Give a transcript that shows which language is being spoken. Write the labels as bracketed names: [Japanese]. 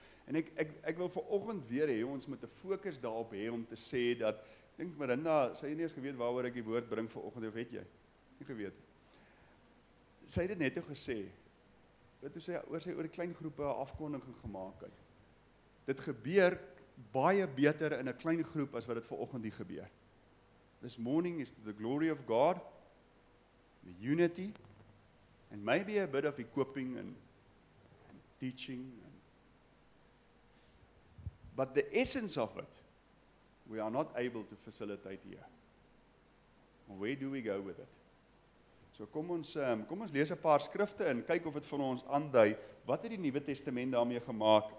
[Afrikaans] En ek wil vanoggend weer hê ons moet 'n fokus daarop hê om te sê dat ek dink Marinda, sy het nie eens geweet waaroor ek die woord bring vanoggend of het jy? nie geweet. Sy het dit net toe gesê, dat toe sy oor sy oor klein groepe afkondiging gemaak het, dit gebeur baie beter in 'n klein groep as wat dit vanoggend hier gebeur. [English] This morning is the glory of God, the unity, and maybe a bit of equipping and teaching. But the essence of it, we are not able to facilitate here. Where do we go with it? [Afrikaans] So kom ons lees 'n paar skrifte en kyk of dit vir ons aandui wat het die Nuwe Testament daarmee gemaak.